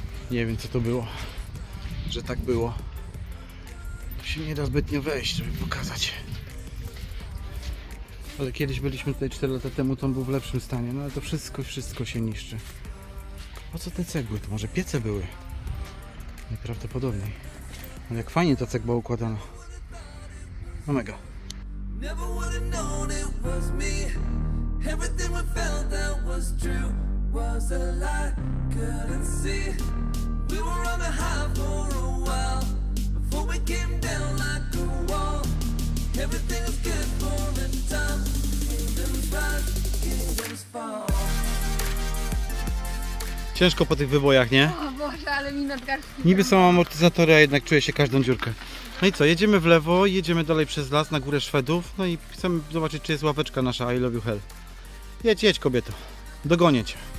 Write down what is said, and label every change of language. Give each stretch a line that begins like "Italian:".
Polish: Nie wiem co to było, że tak było. Tu się nie da zbytnio wejść, żeby pokazać. Ale kiedyś byliśmy tutaj 4 lata temu, to on był w lepszym stanie. No ale to wszystko, wszystko się niszczy. Po co te cegły? To może piece były? Najprawdopodobniej. Ale jak fajnie ta cegła układana. No mega.
English: Never would have known it was me. Everything we felt that was true was a lie, couldn't see. We were on the high for a while before we came down like a wall. Everything was good for the time. Kingdoms rise, kingdoms fall.
Polish: Ciężko po tych wybojach, nie? O Boże, ale mi nadgarstki. Niby są amortyzatory, a jednak czuję się każdą dziurkę. No i co, jedziemy w lewo, jedziemy dalej przez las na górę Szwedów. No i chcemy zobaczyć, czy jest ławeczka nasza I Love You Hell. Jedź, jedź kobieto. Dogonię cię.